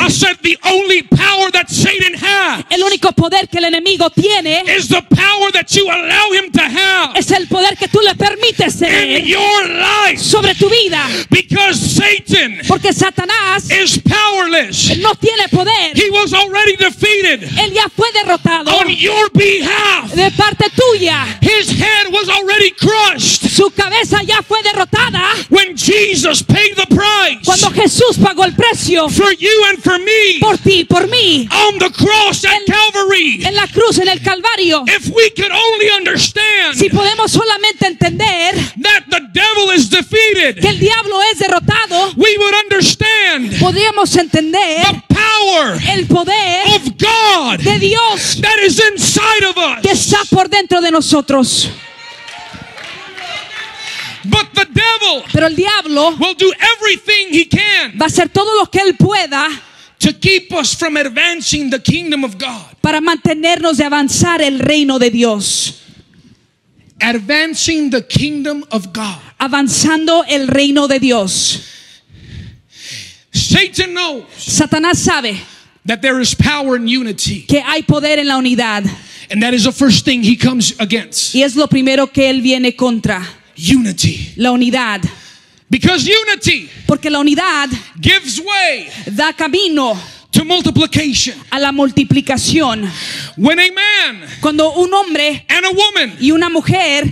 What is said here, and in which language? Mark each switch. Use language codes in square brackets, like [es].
[en] I said the only power that Satan has, [es] el único poder que el enemigo tiene, [en] is the power that you allow him to have, [es] es el poder que tú le permites tener, [en] in your life, [es] sobre tu vida, [en] because Satan, [es] porque Satanás, [en] is powerless. [es] No tiene poder. [en] He was already defeated. [es] Él ya fue derrotado. [en] On your behalf. [es] De parte tuya. [en] His head was already crushed. [es] Su cabeza ya fue derrotada. [en] When Jesus paid the price. [es] Cuando Jesús pagó el precio. [en] For you and for me. [es] Por ti, por mí. [en] On the cross at Calvary. [es] En la cruz, en el Calvario. [en] If we could only understand. [es] Si podemos solamente entender. [en] That the devil is defeated. [es] Que el diablo es derrotado. [en] We would understand. [es] Podríamos entender. [en] The power, [es] el poder [en] of God, [es] de Dios, [en] that is inside of us, [es] que está por dentro de nosotros. [en] But the devil, [es] pero el diablo, [en] will do everything he can, [es] va a hacer todo lo que él pueda, [en] to keep us from advancing the kingdom of God, [es] para mantenernos de avanzar el reino de Dios. [en] Advancing the kingdom of God, [es] avanzando el reino de Dios. [en] Satan knows, [es] Satanás sabe, [en] that there is power in unity, [es] que hay poder en la unidad, [en] and that is the first thing he comes against, [es] y es lo primero que él viene contra, [en] unity, [es] la unidad, [en] because unity, [es] porque la unidad, [en] gives way, [es] da camino, [en] to multiplication, [es] a la multiplicación, [en] when a man, [es] cuando un hombre, [en] and a woman, [es] y una mujer,